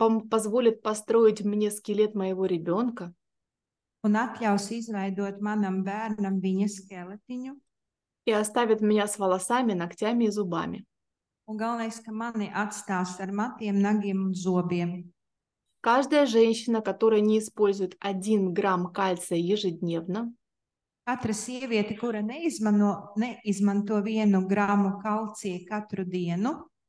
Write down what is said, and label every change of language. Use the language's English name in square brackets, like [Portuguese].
[Russian] Позволит построить мне скелет моего ребёнка. [Latvian] Un atļaus izveidot manam bērnam viņa skeletiņu. [Russian] И оставит меня с волосами, ногтями и зубами. [Latvian] Un galvenais, ka mani atstās ar matiem, nagiem un zobiem. [Russian] Каждая женщина, которая не использует 1 грамм кальция ежедневно. [Latvian] Katra sieviete, kura neizmanto 1 grammu kalcija katru dienu.